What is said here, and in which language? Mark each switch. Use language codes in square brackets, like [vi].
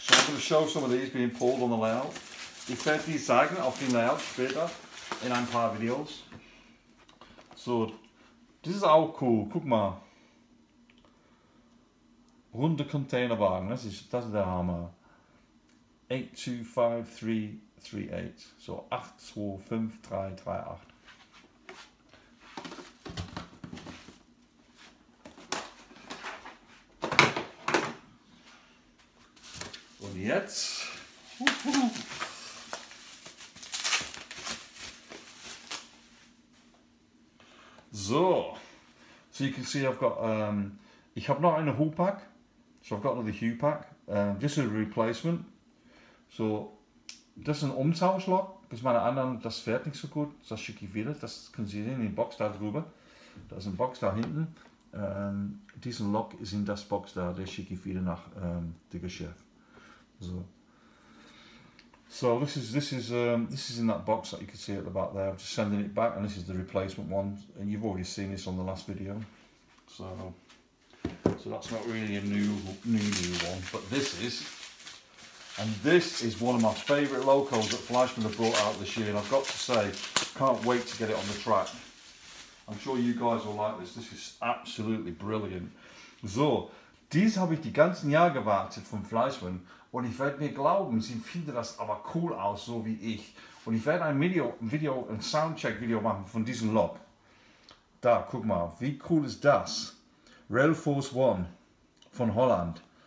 [en] So I'm going to show some of these being pulled on the layout. [de] Ich werde die zeigen auf dem Layout später in ein paar Videos. So, das ist auch cool. Guck mal. Runde Containerwagen, das ist der Hammer. 8253 8238. So 825338. Und jetzt. [en] So. So you can see I've got [de] ich habe noch eine Hue Pack. [en] So I've got another Hue Pack. This is a replacement. [de] So das ist ein Umtauschlock, das meine anderen, das fährt nicht so gut. Das schicke ich wieder. Das können Sie sehen in die Box da drüber. Da ist eine Box da hinten. Diesen Lock ist in das Box da, der schicke ich wieder nach dem Geschäft. So. [en] So this is in that box that you can see at the back there. I'm just sending it back, and this is the replacement one. And you've already seen this on the last video. So that's not really a new one, but this is. And this is one of my favourite locos that Fleischmann have brought out this year. And I've got to say, can't wait to get it on the track. I'm sure you guys will like this. This is absolutely brilliant. [de] So, dies habe ich die ganzen Jahre gewartet von Fleischmann. Und ich werde mir glauben, sie finden das aber cool aus, so wie ich. Und ich werde ein Soundcheck-Video machen von diesem Lock. Da, guck mal, wie cool ist das? Rail Force One von Holland.